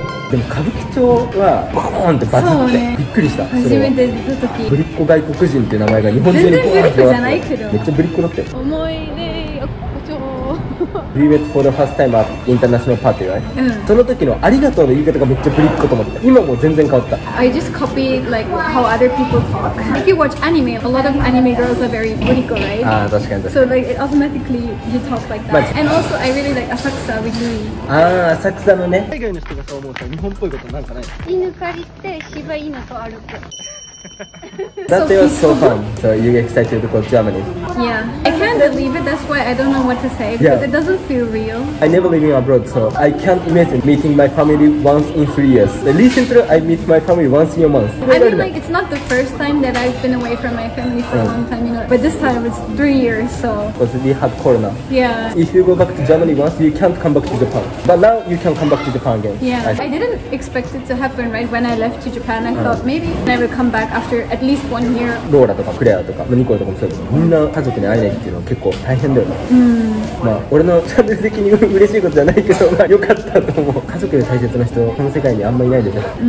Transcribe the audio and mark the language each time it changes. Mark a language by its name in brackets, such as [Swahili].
[Japanese] でも歌舞伎町はボーンってバズって、ね、びっくりした。初めて出た時、ブリッコ外国人っていう名前が日本中にボーンって。全然ブリッコじゃないけど。めっちゃブリッコだったよ。思い出よ、こちょー。 [English] We met for the first time at international party, right? [Japanese] うん。その時のありがとうの言い方がめっちゃブリッコと思った。今も全然変わった。 [English] I just copy like how other people talk. If you watch anime, a lot of anime girls are very ブリッコ, right? [Japanese] ああ、確かに確かに。 [English] So like it automatically you talk like that. And also I really like 浅草 with me. [Japanese] ああ、浅草のね。海外の人がそう思うと日本っぽいことなんかない。犬借りて柴犬と歩く。 [English] That was so fun. So you're excited to go to Germany? Yeah, I can't believe it. That's why I don't know what to say because it doesn't feel real. I never living abroad, so I can't imagine meeting my family once in 3 years. Recently, I meet my family once in a month. I mean, like, it's not the first time that I've been away from my family for a long time, you know. But this time it's 3 years, so. Because we had Corona. Yeah. If you go back to Germany once, you can't come back to Japan. But now you can come back to Japan again. Yeah. I didn't expect it to happen right when I left to Japan. I thought maybe I would come back after at least one year. [Japanese] ローラとかクレアとかニコルとかもそうだけど、みんな家族に会えないっていうのは結構大変だよね。まあ俺のチャンネル的に嬉しいことじゃないけど、まあ良かったと思う。家族で大切な人この世界にあんまいないでしょ。